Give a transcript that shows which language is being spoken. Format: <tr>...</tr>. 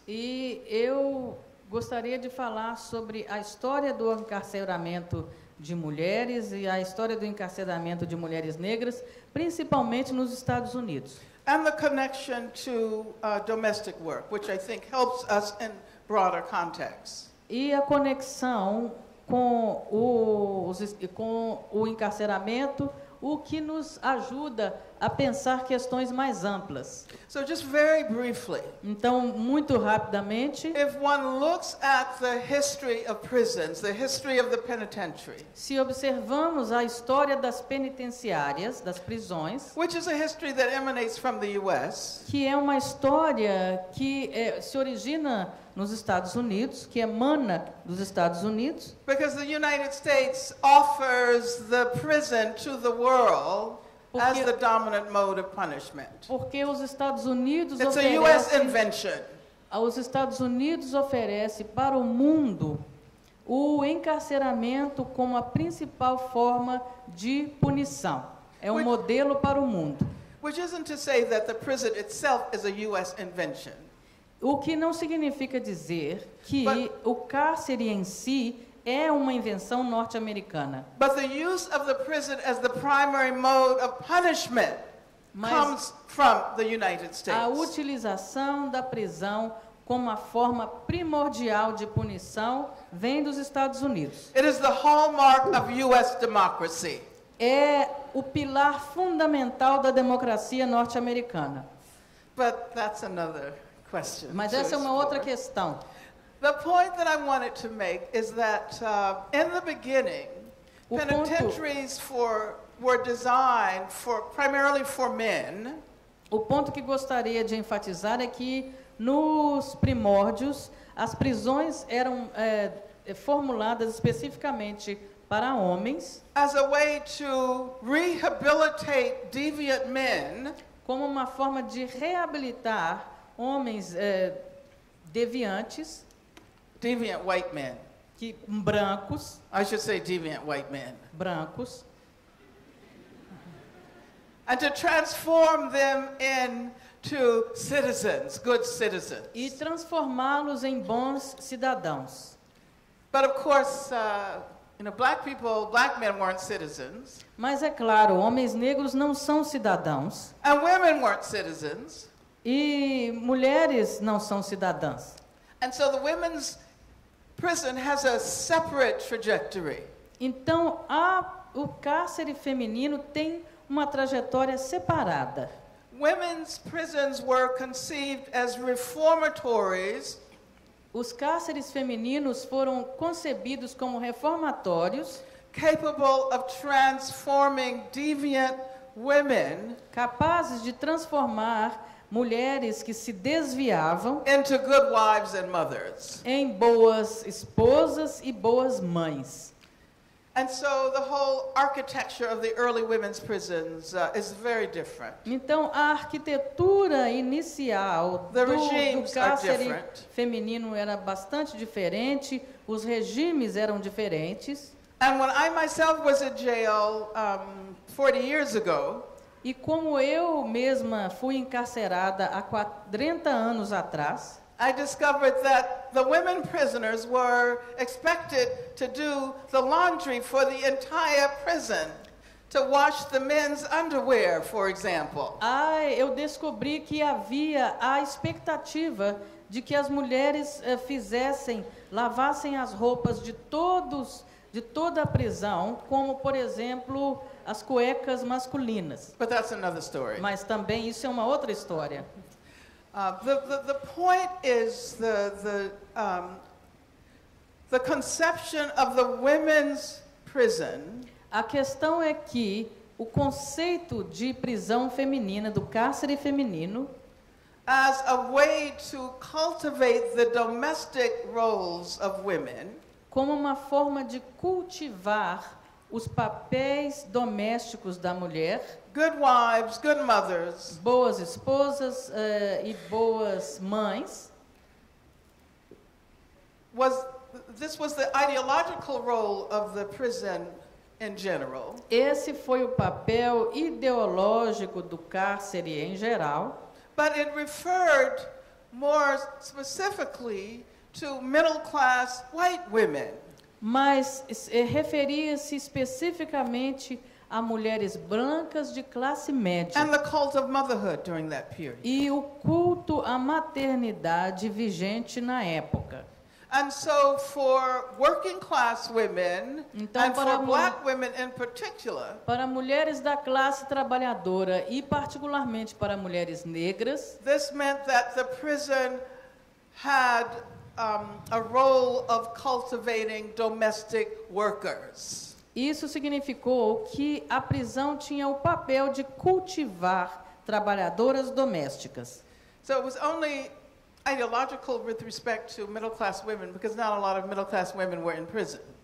<pt>E eu gostaria de falar sobre a história do encarceramento de mulheres e a história do encarceramento de mulheres negras, principalmente nos Estados Unidos.</pt> <en>And the connection to domestic work, which I think helps us in broader context.</en> <pt>E a conexão com o encarceramento, o que nos ajuda a pensar questões mais amplas.</pt> <en>So just very briefly.</en> <pt>Então, muito rapidamente.</pt> <en>If one looks at the history of prisons, the history of the penitentiary.</en> <pt>Se observamos a história das penitenciárias, das prisões.</pt> <en>Which is a history that emanates from the US.</en> <pt>Que é uma história que se origina nos Estados Unidos, que emana dos Estados Unidos.</pt> <en>Because the United States offers the prison to the world. As the dominant mode of punishment.</en> <pt>Porque os Estados Unidos oferecem.</pt> <en>It's a US invention.</en> <pt>Os Estados Unidos oferecem para o mundo o encarceramento como a principal forma de punição. É um modelo para o mundo.</pt> <en>Which isn't to say that the prison itself is a US invention.</en> <pt>O que não significa dizer que o cárcere em si é uma invenção norte-americana.</pt> <en>But the use of the prison as the primary mode of punishment comes from the United States.</en> <pt>A utilização da prisão como a forma primordial de punição vem dos Estados Unidos.</pt> <en>It is the hallmark of US democracy.</en> <pt>É o pilar fundamental da democracia norte-americana.</pt> <en>But that's another question.</en> <pt>Mas essa é uma outra questão.</pt> <en>The point that I wanted to make is that in the beginning, penitentiaries were designed for primarily for men.</en> <pt>O ponto que gostaria de enfatizar é que nos primórdios as prisões eram formuladas especificamente para homens.</pt> <en>As a way to rehabilitate deviant men.</en> <pt>Como uma forma de reabilitar homens deviantes.</pt> <en>Deviant white men.</en> <pt>Que brancos.</pt> <en>I should say deviant white men.</en> <pt>Brancos.</pt> <en>And to transform them into citizens, good citizens.</en> <pt>E transformá-los em bons cidadãos.</pt> <en>But of course, you know, black men weren't citizens.</en> <pt>Mas é claro, homens negros não são cidadãos.</pt> <en>And women weren't citizens.</en> <pt>E mulheres não são cidadãs.</pt> <en>And so the women's prison has a separate trajectory.</en> <pt>Então, o cárcere feminino tem uma trajetória separada.</pt> <en>Women's prisons were conceived as reformatories.</en> <pt>Os cárceres femininos foram concebidos como reformatórios,</pt> <en>capable of transforming deviant women,</en> <pt>capazes de transformar mulheres que se desviavam</pt> <en>into good wives and mothers.</en> <pt>Em boas esposas e boas mães.</pt> <en>And so the whole architecture of the early women's prisons is very different.</en> <pt>Então a arquitetura inicial do cárcere feminino era bastante diferente, os regimes eram diferentes.</pt> <en>And when I myself was in jail 40 years ago,</en> <pt>e como eu mesma fui encarcerada há 40 anos atrás,</pt> <en>I discovered that the women prisoners were expected to do the laundry for the entire prison, to wash the men's underwear, for example.</en> <pt>Ai, eu descobri que havia a expectativa de que as mulheres lavassem as roupas de toda a prisão, como, por exemplo, as cuecas masculinas.</pt> <en>But that's another story.</en> <pt>Mas também isso é uma outra história.</pt> <en>The point is the conception of the women's prison.</en> <pt>A questão é que o conceito de prisão feminina, do cárcere feminino,</pt> <en>as a way to cultivate the domestic roles of women,</en> <pt>como uma forma de cultivar os papéis domésticos da mulher,</pt> <en>good wives, good mothers,</en> <pt>boas esposas e boas mães,</pt> <en>this was the ideological role of the prison in general.</en> <pt>Esse foi o papel ideológico do cárcere em geral.</pt> <en>But it referred more specifically to middle-class white women.</en> <pt>Mas referia-se especificamente a mulheres brancas de classe média.</pt> <en>And the cult of motherhood during that period.</en> <pt>E o culto à maternidade vigente na época.</pt> <en>And so for working class women,</en> <pt>então,</pt> <en>and for black women in particular,</en> <pt>para mulheres da classe trabalhadora e particularmente para mulheres negras,</pt> <en>this meant that the prison had a role of cultivating domestic workers.</en> <pt>Isso significou que a prisão tinha o papel de cultivar trabalhadoras domésticas.</pt> <en>So it was only ideological with respect to middle-class women, because not a lot of middle-class women were in prison.</en>